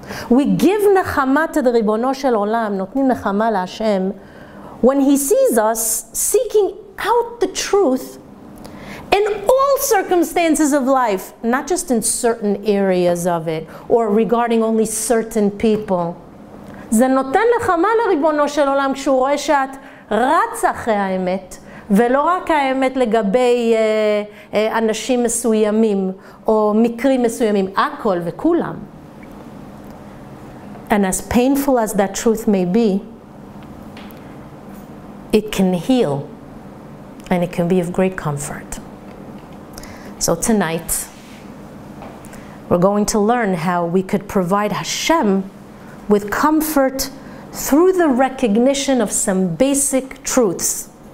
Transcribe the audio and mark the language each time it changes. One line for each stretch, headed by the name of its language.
English: We give nechama to the Ribono Shel Olam,
Hebrew: notnim nechama l'Hashem,
English: when He sees us seeking out the truth in all circumstances of life, not just in certain areas of it or regarding only certain people.
Hebrew: זה נותן לחמה לריבונו של עולם כשהוא רואה שאת רץ אחרי האמת ולא רק האמת לגבי אנשים מסוימים או מקרים מסוימים, הכל וכולם.
English: And as painful as that truth may be, it can heal, and it can be of great comfort. So tonight, we're going to learn how we could provide Hashem with comfort through the recognition of some basic truths.